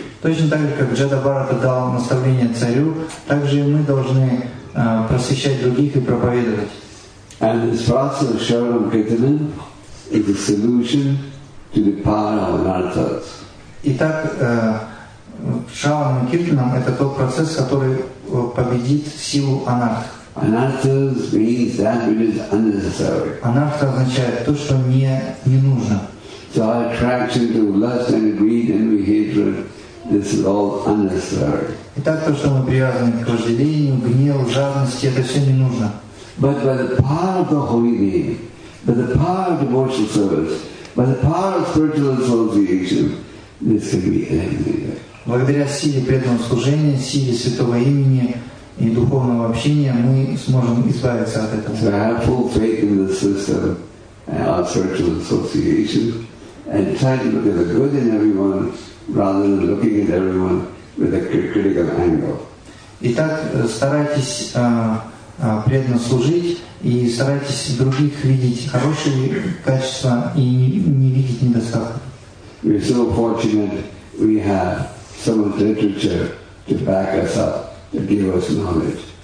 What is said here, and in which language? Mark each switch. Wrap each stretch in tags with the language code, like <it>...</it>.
<ru>Точно так же, как Джада Бхарата дал наставление царю, так же и мы должны просвещать других и проповедовать.</ru> <en>And this process of Sharanam Kirtanam is the solution to the power of anarthas.</en> <ru>Итак, Шаранам Киртанам это тот процесс, который победит силу анарт.</ru> <en>Anarthas means that which is unnecessary.</en> <ru>Анартха означает то, что не нужно.</ru> <en>So our attraction to lust and greed and envy, hatred, this is all unnecessary.</en> <ru>Итак, то, что мы привязаны к вожделению, гневу, жадности, это все не нужно.</ru> <en>But by the power of the holy name, by the power of devotional service, by the power of spiritual association, this can be eliminated.</en> <ru>Благодаря силе преданного служения, силе святого имени и духовного общения, мы сможем избавиться от этого.</ru> <en>So I have full faith in the system and our spiritual association. And try to look at the good in everyone rather than looking at everyone with a critical angle.</en> <ru>Итак, старайтесь преданно служить и старайтесь других видеть хорошие качества и не видеть недостатков.</ru> <en>We're so fortunate we have so much literature to back us up, to give us knowledge.</en>